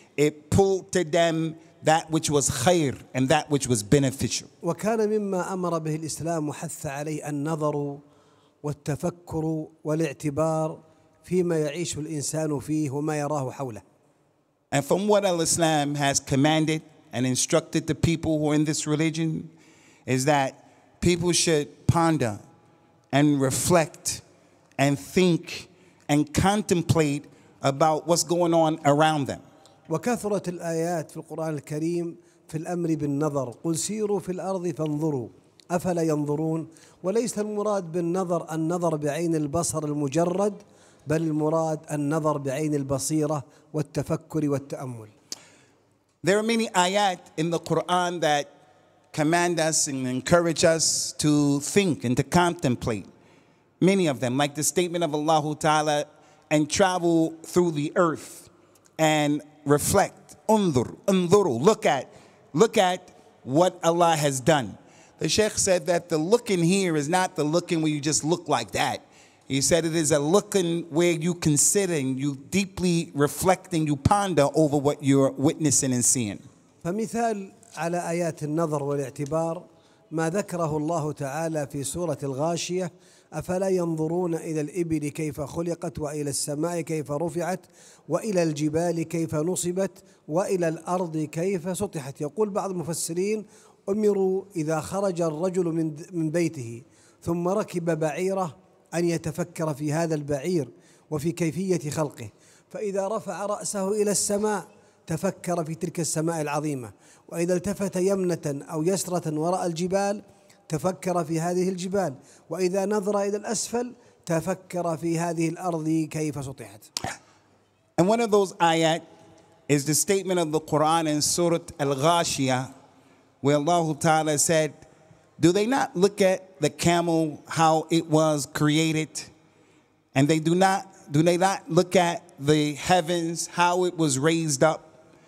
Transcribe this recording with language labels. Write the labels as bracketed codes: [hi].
[en] It pulled to them that which was khair and that which was beneficial. [ar] وكان مما أمر به الإسلام وحث عليه النظر والتفكر والاعتبار فيما يعيش الإنسان فيه وما يراه حوله. [en] And from what Islam has commanded and instructed the people who are in this religion is that people should ponder and reflect and think and contemplate about what's going on around them. [ar] وكثرة الآيات في القرآن الكريم في الأمر بالنظر قل سيروا في الأرض فانظروا أفلا ينظرون وليس المراد بالنظر النظر بعين البصر المجرد بل المراد النظر بعين البصيرة والتفكر والتأمل. [en] There are many ayat in the Quran that command us and encourage us to think and to contemplate. Many of them, like the statement of Allah Ta'ala, and travel through the earth and reflect. Unzur, unzuru, look at what Allah has done. The Shaykh said that the looking here is not the looking where you just look like that. He said it is a looking where you consider and you deeply reflect and you ponder over what you're witnessing and seeing. [ar] فمثال على آيات النظر والاعتبار ما ذكره الله تعالى في سورة الغاشية أفلا ينظرون إلى الإبل كيف خلقت وإلى السماء كيف رفعت وإلى الجبال كيف نصبت وإلى الأرض كيف سطحت. يقول بعض المفسرين أمروا إذا خرج الرجل من بيته ثم ركب بعيره أن يتفكر في هذا البعير وفي كيفية خلقه فإذا رفع رأسه إلى السماء تفكر في تلك السماء العظيمة وإذا التفت يمنة أو يسرة وراء الجبال تفكر في هذه الجبال وإذا نظر إلى الأسفل تفكر في هذه الأرض كيف سطحت. [en] And one of those ayat is the statement of the Quran in Surah Al-Ghashiyah where Allah Ta'ala said, do they not look at the camel, how it was created? And they do they not look at the heavens, how it was raised up?